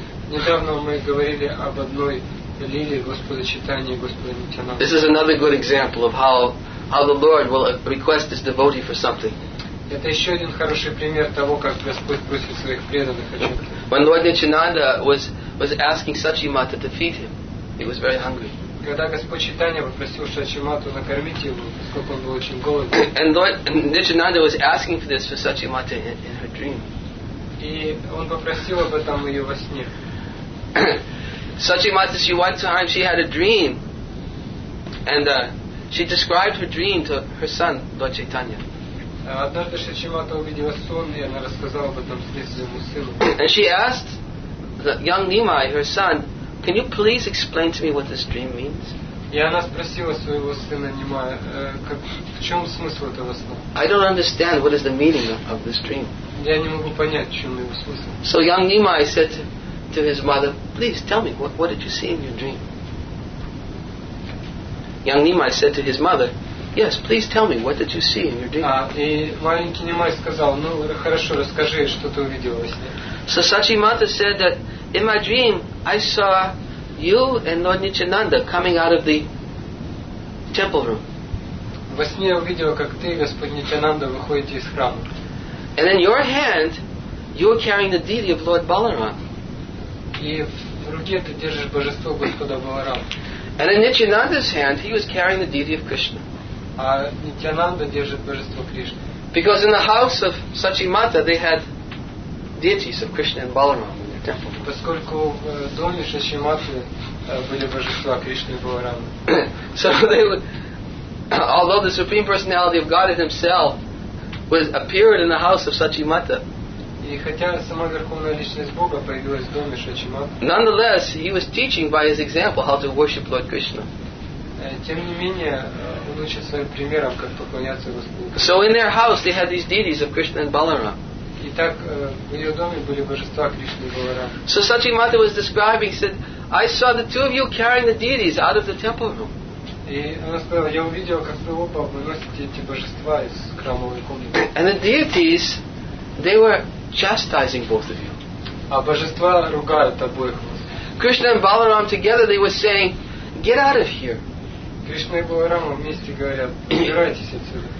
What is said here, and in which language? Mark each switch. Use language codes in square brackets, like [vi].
[ru] Недавно мы говорили об одной лиле Господа Чайтаньи и Господа Нитьянанды. [en] This is another good example of how the Lord will request his devotee for something. [ru] Это еще один хороший пример того, как Господь просит своих преданных о чем-то. [en] When Lord Nityananda was asking Sachimata to feed him, he was very hungry. [ru] Когда Господь Чайтанья попросил Сачимату накормить его, поскольку он был очень голоден. [en] And Lord Nityananda was asking for this for Sachimata in her dream. [ru] И он попросил об этом ее во сне. [en] Sachimata, she one time she had a dream, and she described her dream to her son Lord Chaitanya. [ru] Однажды Шачимата увидела сон, и она рассказала об этом своему сыну. [en] And she asked the young Nimai, her son, "Can you please explain to me what this dream means?" [ru] И она спросила своего сына Нимая, в чем смысл этого сна? [en] "I don't understand what is the meaning of this dream." [ru] Я не могу понять, в чем его смысл. [en] So young Nimai said to his mother, "Please tell me, what did you see in your dream?" Young Nimai said to his mother, "Yes, please tell me, what did you see in your dream?" [ru] И маленький Нимай сказал, "Ну, хорошо, расскажи, что ты увидел во сне." [en] So Sachimata said that, "In my dream, I saw you and Lord Nityananda coming out of the temple room." [ru] Во сне я увидел, как ты и Господь Нитьянанда выходите из храма. [en] And in your hand, you were carrying the deity of Lord Balaram. [ru] И в руке ты держишь божество Господа Баларама. [en] And in Nityananda's hand, he was carrying the deity of Krishna. [ru] А Нитьянанда держит божество Кришны. [en] Because in the house of Sachimata they had deities of Krishna and Balaram in their temple. [ru] Поскольку в доме Сачиматы были божества Кришны и Баларамы. [en] So they would, although the Supreme Personality of Godhead himself was appeared in the house of Sachimata. [ru] И хотя сама верховная личность Бога появилась в доме Сачиматы. [en] Nonetheless, he was teaching by his example how to worship Lord Krishna. [ru] Тем не менее, он учит своим примером, как поклоняться Господу. [en] So in their house they had these deities of Krishna and Balaram. [ru] И так в ее доме были божества Кришны и Баларам. [en] So Sachimata was describing, said, "I saw the two of you carrying the deities out of the temple room." [ru] И она сказала, "Я увидел, как вы оба выносите эти божества из храмовой комнаты." [en] And the deities, they were chastising both of you. [ru] А божества ругают обоих вас. [en] Krishna and Balaram together, they were saying, "Get out of here." [ru] Кришна и Баларама вместе говорят, убирайтесь отсюда.